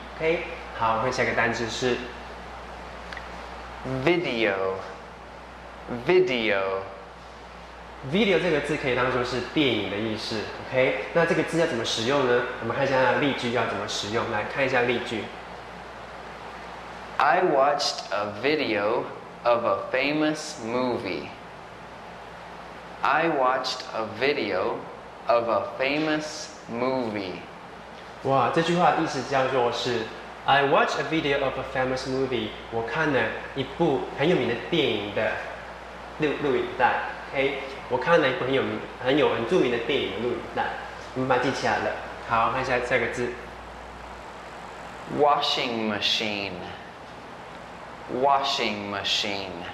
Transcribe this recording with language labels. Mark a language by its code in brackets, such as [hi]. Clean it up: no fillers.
[zh] OK， 好，我们看下一个单词是。 [en] Video，video，video [zh] video 这个字可以当作是电影的意思。OK， 那这个字要怎么使用呢？我们看一下它的例句要怎么使用。来看一下例句。 [en] I watched a video of a famous movie. I watched a video of a famous movie. [zh] 哇，这句话的意思叫做是。 [en] I watched a video of a famous movie. [zh] 我看了一部很有名的电影的录影带。 OK， 我看了一部很著名的电影的录影带。我们把它记起来了。好，看一下下一个字。 [en] Washing machine. Washing machine.